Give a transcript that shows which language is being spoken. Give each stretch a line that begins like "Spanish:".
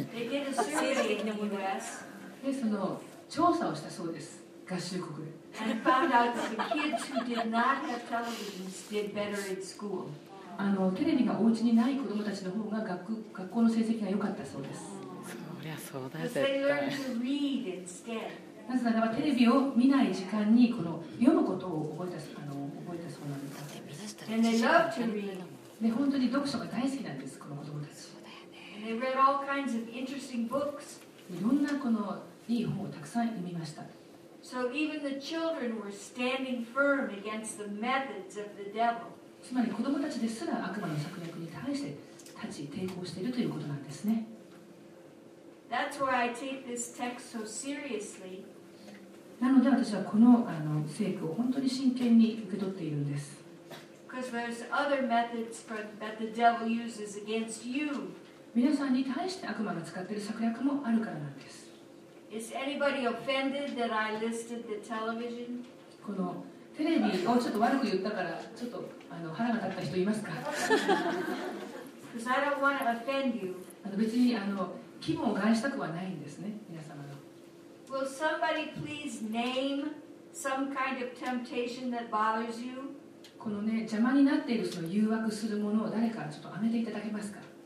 English: They did a survey in the U.S.
Japanese: で、調査をしたそうです。合衆国で。
English: And found out that the kids who did not have televisions did better at school.
Japanese: あの、テレビがお家にない子どもたちの方が学校の成績が良かったそうです。そりゃそうだ、絶対。
English: Because they learned to read instead.
Japanese: なぜならば、テレビを見ない時間にこの読むことを覚えたそうなんです。
English: And they loved to read.
Japanese: で、本当に読書が大好きなんです、この子どもたち。
English: They read all kinds of interesting books.
Japanese: いろんなこのいい本をたくさん読みました。
English: So even the children were standing firm against the methods of the devil.
Japanese: つまり子供たちですら悪魔の策略に対して立ち抵抗しているということなんですね。
English: That's why I take this text so seriously.
Japanese: なので私はこの聖句を本当に真剣に受け取っているんです。
English: Because there's other methods that the devil uses against you.
Japanese: 皆さんに対して悪魔が使っている策略もあるからなんです。
English: Is anybody offended that I listed the television?
Japanese: このテレビをちょっと悪く言ったからちょっと腹が立った人いますか？
English: Because I don't want to offend you.
Japanese: 別に気分を害したくはないんですね、皆様の。
English: Will somebody please name some kind of temptation that bothers you?
Japanese: このね、邪魔になっているその誘惑するものを誰かちょっと挙げていただけますか？